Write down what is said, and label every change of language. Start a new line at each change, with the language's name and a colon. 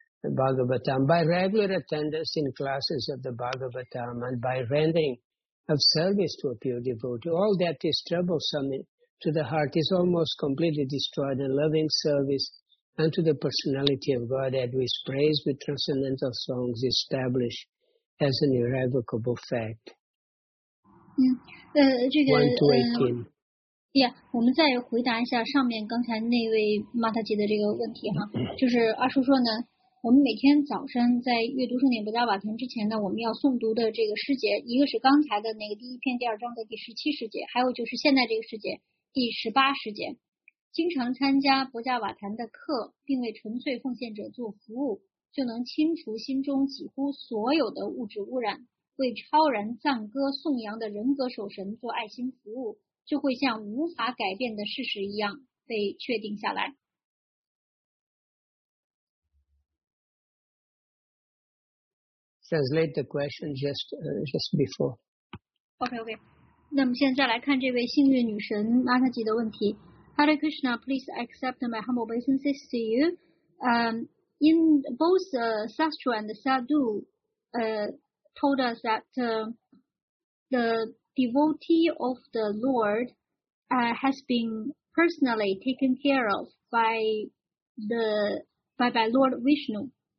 English: Bhagavatam, by regular attendance in classes of the Bhagavatam and by rendering of service to a pure devotee, all that is troublesome to the heart is almost completely destroyed in loving service and to the personality of Godhead, which praise with transcendental songs established as an irrevocable fact. 1:18. Yeah,
Chinese: 我们再回答一下上面刚才那位玛塔吉的这个问题哈，就是二叔说呢我们每天早晨在阅读圣典不加瓦坛之前呢，我们要诵读的这个诗节，一个是刚才的那个第一篇第二章的第17诗节，还有就是现在这个诗节第18诗节。经常参加不加瓦坛的课，并为纯粹奉献者做服务，就能清除心中几乎所有的物质污染，为超然赞歌颂扬的人格守神做爱心服务，就会像无法改变的事实一样被确定下来。
English: Translate the question just before. Okay.
Chinese: 那么现在来看这位幸运女神玛塔吉的问题。
English: Hare Krishna, please accept my humble obeisances to you. In both Sastra and Sadhu told us that the devotee of the Lord has been personally taken care of by Lord Vishnu.